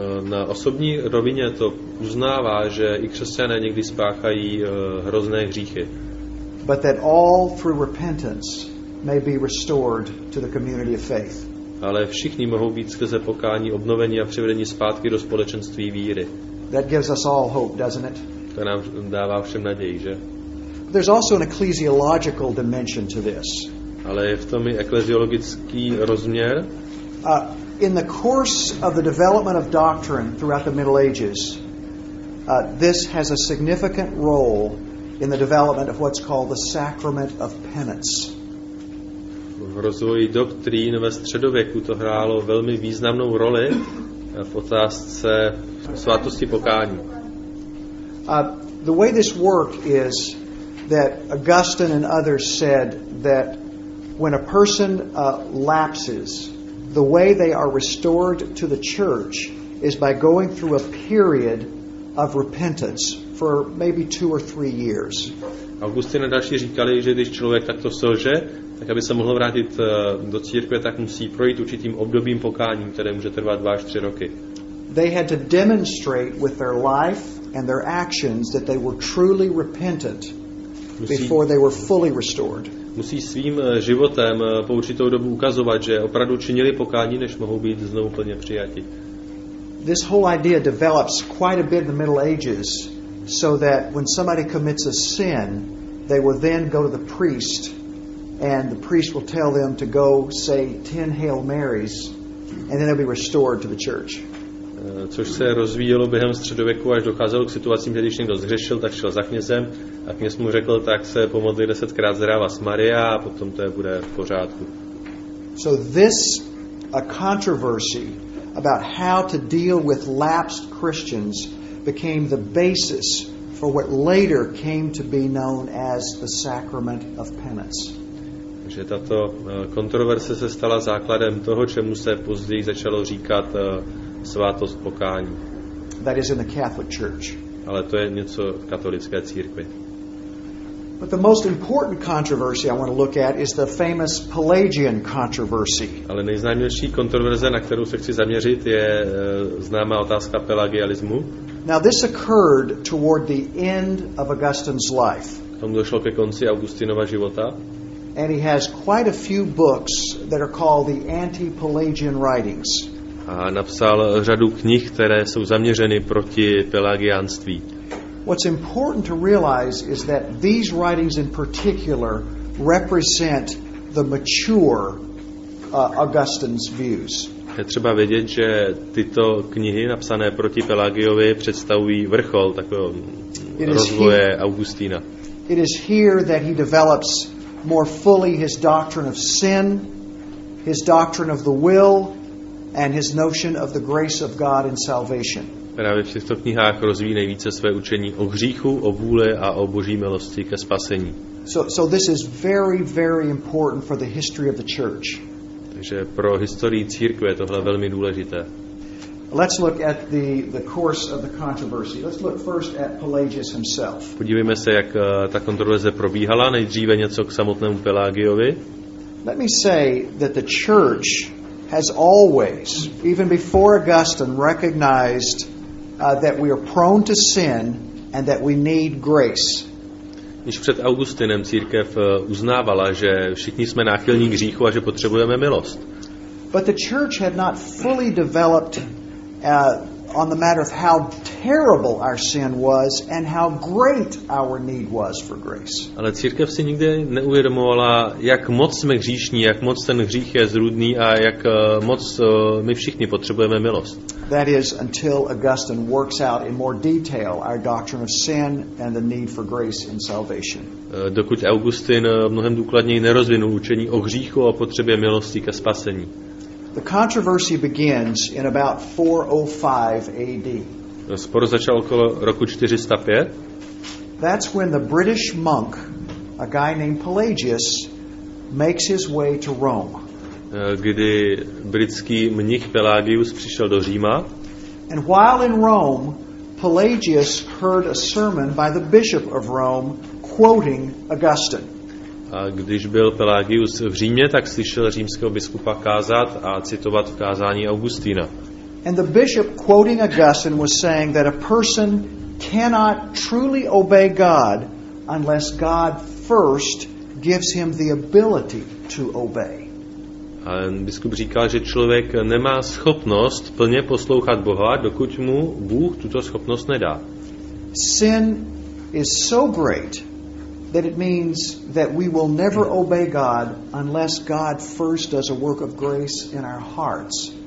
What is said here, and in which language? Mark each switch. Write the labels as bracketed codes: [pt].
[cs] Na osobní rovině to uznává, že i křesťané někdy spáchají hrozné hříchy. [en] But that all through repentance may be restored to the community of faith. [cs] Ale všichni mohou být skrze pokání obnoveni a přivedeni zpátky do společenství víry. [en] That gives us all hope, doesn't it? [cs] To nám dává všem naději, že? [en] But there's also an ecclesiological dimension to this. [cs] Ale je v tom i ekleziologický rozměr. [en] In the course of the development of doctrine throughout the Middle Ages, this has a significant role in the development of what's called the sacrament of penance. [cs] V rozvoji doktrín ve středověku to hrálo velmi významnou roli v otázce svátosti pokání. [en] The way this worked is that Augustine and others said that when a person lapses, the way they are restored to the church is by going through a period of repentance for maybe 2 or 3 years. [cs] Augustin a další říkali, že když člověk takto selže, tak aby se mohl vrátit do církve, tak musí projít určitým obdobím pokání, které může trvat 2 až 3 roky. [en] They had to demonstrate with their life and their actions that they were truly repentant before they were fully restored. [cs] Musí svým životem po určitou dobu ukazovat, že opravdu činili pokání, než mohou být znovu plně přijati. [en] This whole idea develops quite a bit in the Middle Ages, so that when somebody commits a sin, they will then go to the priest, and the priest will tell them to go say 10 Hail Marys, and then they'll be restored to the church. [cs] Což se rozvíjelo během středověku, až docházelo k situacím, když někdo zhřešil, tak šel za knězem a kněz mu řekl, tak se pomodli 10x Zdravas Maria a potom to bude v pořádku. [en] So this a controversy about how to deal with lapsed Christians became the basis for what later came to be known as the sacrament of penance. [cs] Že tato kontroverze se stala základem toho, čemu se později začalo říkat svátost pokání. [en] That is in the Catholic Church. [cs] Ale to je něco v katolické církvi. [en] But the most important controversy I want to look at is the famous Pelagian controversy. [cs] Ale nejznámější kontroverze, na kterou se chci zaměřit, je známá otázka pelagialismu. [en] Now this occurred toward the end of Augustine's life. [cs] Tomu došlo ke konci Augustinova života. [en] And he has quite a few books that are called the anti-Pelagian writings. [cs] A napsal řadu knih, které jsou zaměřeny proti pelagiánství. [en] What's important to realize is that these writings in particular represent the mature Augustine's views. [cs] Je třeba vědět, že tyto knihy napsané proti Pelagiovi představují vrchol takového rozvoje Augustína. [en] It is here that he develops more fully his doctrine of sin, his doctrine of the will, and his notion of the grace of God in salvation. [cs] Právě v těchto knihách rozvíjí nejvíce své učení o hříchu, o vůli a o boží milosti ke spasení. [en] So this is very, very important for the history of the church. [cs] Takže pro historii církve je tohle velmi důležité. [en] Let's look at the course of the controversy. Let's look first at Pelagius himself. [cs] Podívejme se, jak ta kontroverze probíhala, nejdříve něco k samotnému Pelagiovi. [en] Let me say that the church has always, even before Augustine, recognized that we are prone to sin and that we need grace. [cs] Již před Augustinem církev uznávala, že všichni jsme náchylní k hříchu a že potřebujeme milost. [en] But the church had not fully developed on the matter of how terrible our sin was and how great our need was for grace. [cs] Ale církev si nikdy neuvědomovala, jak moc jsme hříšní, jak moc ten hřích je zrůdný a jak moc my všichni potřebujeme milost. [en] That is until Augustine works out in more detail our doctrine of sin and the need for grace in salvation. [cs] Dokud Augustin mnohem důkladněji nerozvinul učení o hříchu a potřebě milosti ke spasení. [en] The controversy begins in about 405 AD. [cs] Spor začal okolo roku 405. [en] That's when the British monk, a guy named Pelagius, makes his way to Rome. [cs] Kdy britský mnich Pelagius přišel do Říma. [en] And while in Rome, Pelagius heard a sermon by the bishop of Rome quoting Augustine. [cs] A když byl Pelagius v Římě, tak slyšel římského biskupa kázat a citovat v kázání Augustína. [en] And the bishop quoting Augustine was saying that a person cannot truly obey God unless God first gives him the ability to obey. [cs] A biskup říkal, že člověk nemá schopnost plně poslouchat Boha, dokud mu Bůh tuto schopnost nedá. [en] Sin is so great that it means that we will never obey God unless God first does a work of grace in our hearts.